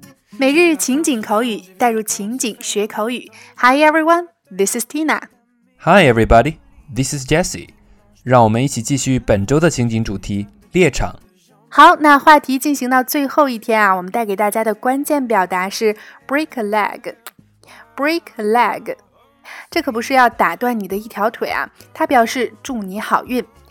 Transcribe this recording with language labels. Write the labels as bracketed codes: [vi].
[zh] 每日情景口语，带入情景学口语。 [en] Hi everyone, this is Tina. Hi everybody, this is Jesse. [zh] 让我们一起继续本周的情景主题，猎场。好，那话题进行到最后一天啊，我们带给大家的关键表达是 break a leg. [en] Break a leg. [zh] 这可不是要打断你的一条腿啊，它表示祝你好运。